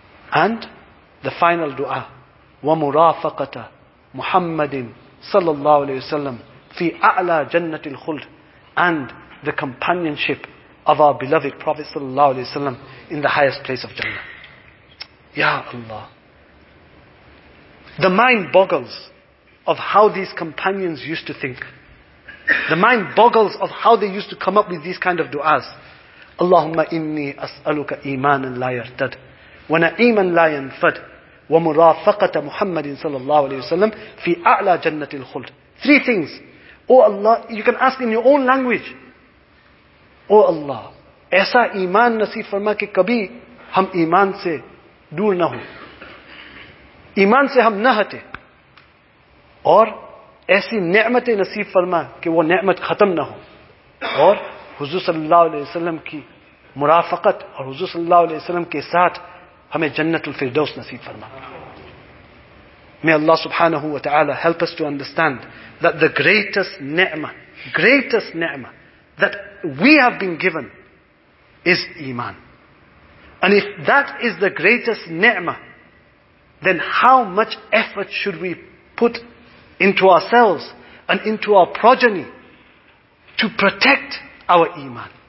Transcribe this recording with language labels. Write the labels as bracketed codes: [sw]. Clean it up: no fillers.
[en] And the final dua, [ar] وَمُرَافَقَةَ مُحَمَّدٍ صَلَّى اللَّهُ عَلَيْهِ وَسَلَّمُ فِي أَعْلَى جَنَّةِ الْخُلْدِ, [en] and the companionship of our beloved Prophet sallallahu alayhi wa sallam in the highest place of Jannah. Ya Allah. The mind boggles of how these companions used to think. The mind boggles of how they used to come up with these kind of duas. [ar] اللهم إني أسألك إيمانا لا يرتد وَنَعِيمًا لَا يَنْفَدْ وَمُرَافَقَةَ مُحَمَّدٍ صَلَى اللَّهُ عَلَيْهِ وَسَلَّمْ فِي أَعْلَى جَنَّةِ الْخُلْدِ. [en] Three things. Oh Allah, you can ask in your own language. Oh Allah, [ur] ایسا ایمان نصیب فرما کہ کبھی ہم ایمان سے دور نہ ہو. ایمان سے ہم نہ ہٹیں اور ایسی نعمتیں نصیب فرما کہ وہ نعمت ختم نہ ہو، اور حضور صلی اللہ علیہ وسلم کی مرافقت اور حضور صلی اللہ علیہ وسلم کے ساتھ ہمیں جنت الفردوس نصیب فرما. [en] May Allah subhanahu wa ta'ala help us to understand that the greatest ni'mah that we have been given is iman. And if that is the greatest ni'mah, then how much effort should we put into ourselves and into our progeny to protect our iman?